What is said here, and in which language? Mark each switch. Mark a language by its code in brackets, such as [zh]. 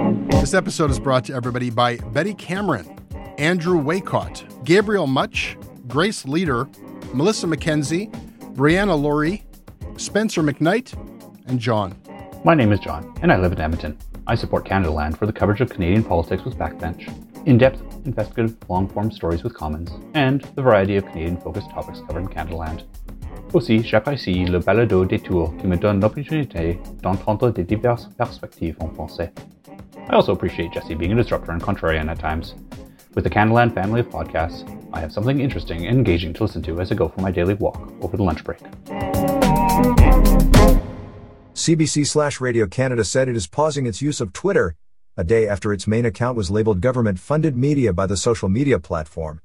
[en] This episode is brought to everybody by Betty Cameron, Andrew Waycott, Gabriel Much, Grace Leader, Melissa McKenzie, Brianna Lurie, Spencer McKnight, and John. My name is John, and I live in Edmonton. I support Canada Land for the coverage of Canadian politics with Backbench, in-depth, investigative, long-form stories with Commons, and the variety of Canadian-focused topics covered in Canada Land. [fr] Aussi, j'apprécie le balado des tours qui me donne l'opportunité d'entendre des diverses perspectives en français. [en] I also appreciate Jesse being a disruptor and contrarian at times. With the Canada Land family of podcasts, I have something interesting and engaging to listen to as I go for my daily walk over the lunch break. CBC/Radio Canada said it is pausing its use of Twitter a day after its main account was labeled government-funded media by the social media platform.